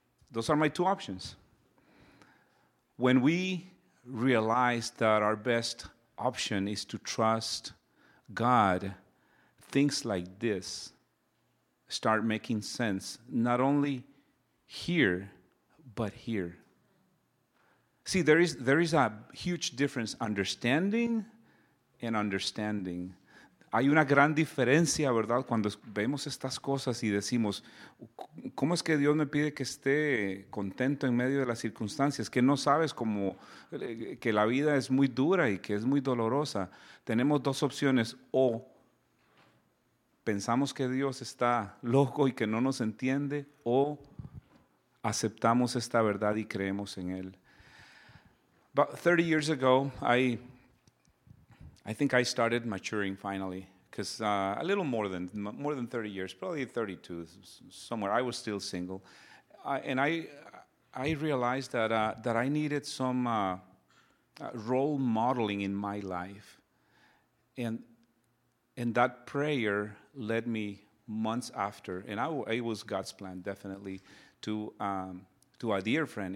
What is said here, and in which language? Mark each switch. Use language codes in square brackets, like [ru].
[en] Those are my two options. When we realize that our best option is to trust God, things like this start making sense, not only here, but here. See, there is a huge difference, understanding and understanding. [es] Hay una gran diferencia, ¿verdad? Cuando vemos estas cosas y decimos, ¿cómo es que Dios me pide que esté contento en medio de las circunstancias? Que no sabes cómo, que la vida es muy dura y que es muy dolorosa. Tenemos dos opciones. O pensamos que Dios está loco y que no nos entiende, o aceptamos esta verdad y creemos en Él. [en] About 30 years ago, I think I started maturing finally, because a little more than 30 years, probably 32, somewhere. I was still single, and I realized that that I needed some role modeling in my life, and that prayer led me months after, and it was God's plan definitely, to a dear friend.